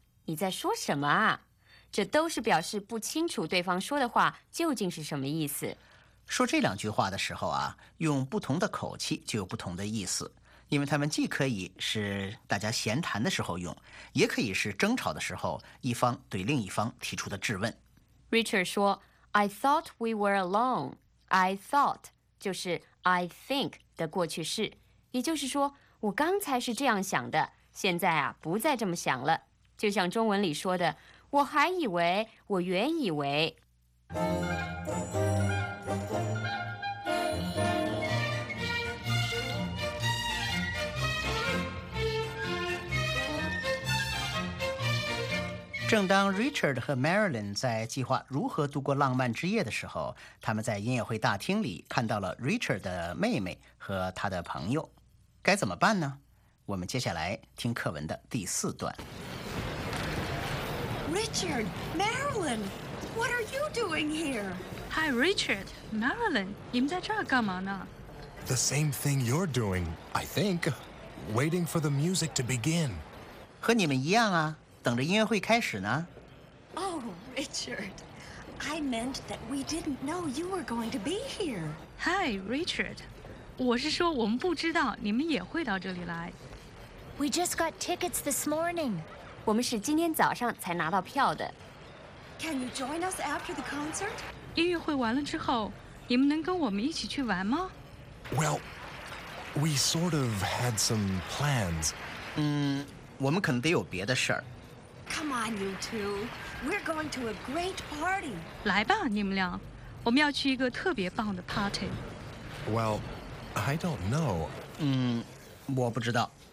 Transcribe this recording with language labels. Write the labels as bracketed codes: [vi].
[zh] 你在说什么啊？这都是表示不清楚对方说的话究竟是什么意思。说这两句话的时候啊，用不同的口气就有不同的意思，因为他们既可以是大家闲谈的时候用，也可以是争吵的时候一方对另一方提出的质问。 [en] Richard 说 I thought we were alone. [zh] I thought 就是 I think 的过去式，也就是说我刚才是这样想的，现在啊，不再这么想了。就像中文里说的，我还以为，我原以为。正当 Richard 和 Marilyn 在计划如何度过浪漫之夜的时候，他们在音乐会大厅里看到了 Richard 的妹妹和他的朋友，该怎么办呢？我们接下来听课文的第四段。 [en] Richard, Marilyn, what are you doing here? [zh] Hi, Richard, Marilyn, 你们在这儿干嘛呢？ [en] The same thing you're doing, I think. Waiting for the music to begin. [zh] 和你们一样啊，等着音乐会开始呢。 [en] Oh, Richard, I meant that we didn't know you were going to be here. [zh] Hi, Richard, 我是说我们不知道你们也会到这里来。 [en] We just got tickets this morning. [zh] 我们是今天早上才拿到票的。 [en] Can you join us after the concert? [zh] 音乐会完了之后，你们能跟我们一起去玩吗？ [en] Well, we sort of had some plans. [zh] 我们可能得有别的事儿。 [en] Come on, you two. We're going to a great party. [zh] 来吧，你们俩，我们要去一个特别棒的 party. [en] Well, I don't know. [zh] 我不知道。